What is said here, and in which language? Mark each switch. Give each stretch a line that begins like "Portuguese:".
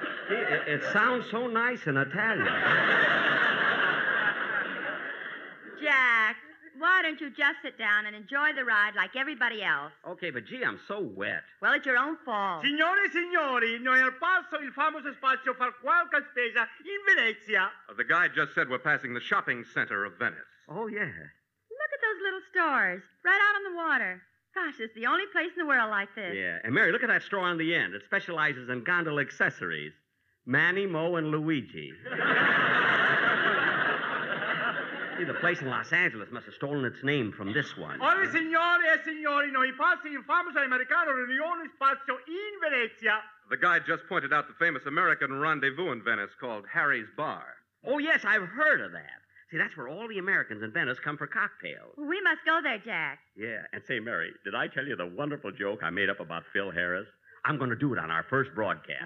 English: It sounds so nice in Italian. Jack, why don't you just sit down and enjoy the ride like everybody else? Okay, but gee, I'm so wet. Well, it's your own fault.
Italian: Signore e signori, noi al passo il famoso spazio per qualche spesa in Venezia.
English: The guide just said we're passing the shopping center of Venice. Oh, yeah. Look at those little stores right out on the water. Gosh, it's the only place in the world like this. Yeah, and Mary, look at that store on the end. It specializes in gondola accessories. Manny, Moe, and Luigi. See, the place in Los Angeles must have stolen its name from this one.
Italian: Ora, signore e signori, noi passi il famoso americano riunione spazio in Venezia.
English: The guide just pointed out the famous American rendezvous in Venice called Harry's Bar. Oh, yes, I've heard of that. See, that's where all the Americans in Venice come for cocktails. Well, we must go there, Jack. Yeah, and say, Mary, did I tell you the wonderful joke I made up about Phil Harris? I'm going to do it on our first broadcast.